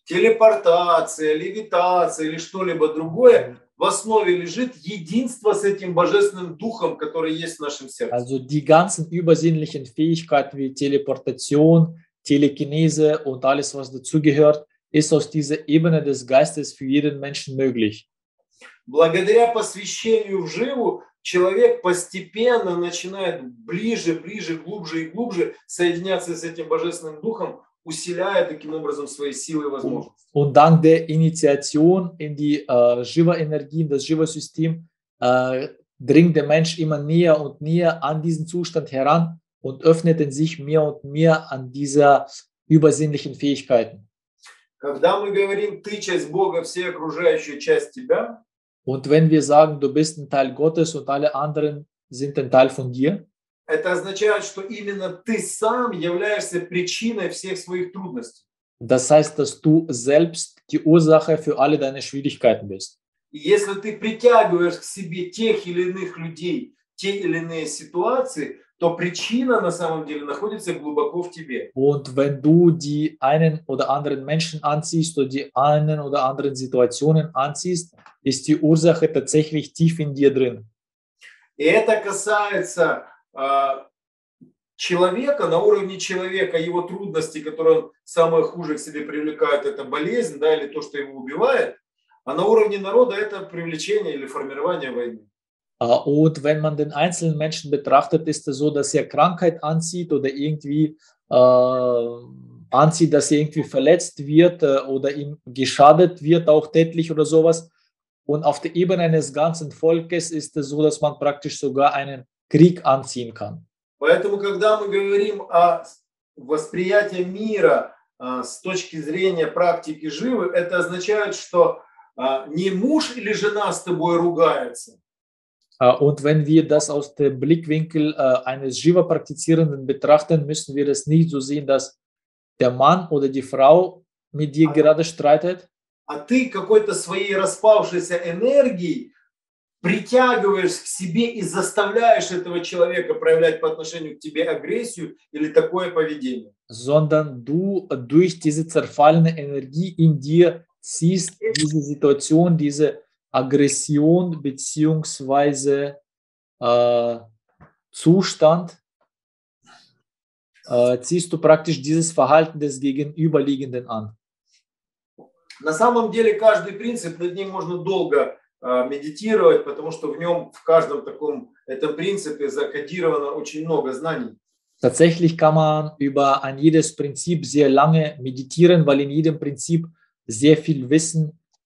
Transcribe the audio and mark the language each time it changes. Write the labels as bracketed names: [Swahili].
[Russian] Телепортация, левитация или что-либо другое в основе лежит единство с этим божественным духом, который есть в нашем сердце. [German] Also die ganzen übersinnlichen Fähigkeiten wie Teleportation, Telekinese und alles, was dazugehört, ist aus dieser Ebene des Geistes für jeden Menschen möglich. [Russian] Благодаря посвящению в живу человек постепенно начинает ближе, глубже и глубже соединяться с этим божественным духом, усиляя таким образом свои силы и возможности. [German] Und dank der Initiation in die Jiva-Energie, in das Jiva-System, dringt der Mensch immer näher und näher an diesen Zustand heran und öffnet in sich mehr und mehr an dieser übersinnlichen Fähigkeiten. [Russian] Когда мы говорим «ты часть Бога, все окружающие часть тебя», [German] und wenn wir sagen, du bist ein Teil Gottes und alle anderen sind ein Teil von dir, [Russian] это означает, что именно ты сам являешься причиной всех своих трудностей. [German] Das heißt, dass du selbst die Ursache für alle deine Schwierigkeiten bist. [Russian] Если ты притягиваешь к себе тех или иных людей, те или иные ситуации, то причина на самом деле находится глубоко в тебе. [German] Und wenn du die einen oder anderen Menschen anziehst oder die einen oder anderen Situationen anziehst, ist die Ursache tatsächlich tief in dir drin. [Russian] И это касается человека, на уровне человека, его трудности, которые он самое хуже к себе привлекает, это болезнь, да, или то, что его убивает, а на уровне народа это привлечение или формирование войны. [German] Und wenn man den einzelnen Menschen betrachtet, ist es so, dass er Krankheit anzieht oder irgendwie anzieht, dass er irgendwie verletzt wird oder ihm geschadet wird, auch tätlich oder sowas. Und auf der Ebene eines ganzen Volkes ist es so, dass man praktisch sogar einen Krieg anziehen kann. [Russian] Поэтому, когда мы говорим о восприятии мира с точки зрения практики живы, это означает, что не муж или жена с тобой ругается. [German] Und wenn wir das aus dem Blickwinkel eines Jiva-Praktizierenden betrachten, müssen wir es nicht so sehen, dass der Mann oder die Frau mit dir gerade streitet. [Russian] А ты какой-то своей распавшейся энергией притягиваешь к себе и заставляешь этого человека проявлять по отношению к тебе агрессию или такое поведение. [German] Sondern du durch diese zerfallene Energie in dir ziehst diese Situation, diese Aggression beziehungsweise Zustand, ziehst du praktisch dieses Verhalten des Gegenüberliegenden an. [Russian] На самом деле каждый принцип, над ним можно долго медитировать, потому что в нем, в каждом таком этом принципе закодировано очень много знаний. [German] Tatsächlich kann man über ein jedes Prinzip sehr lange meditieren, weil in jedem Prinzip sehr viel Wissen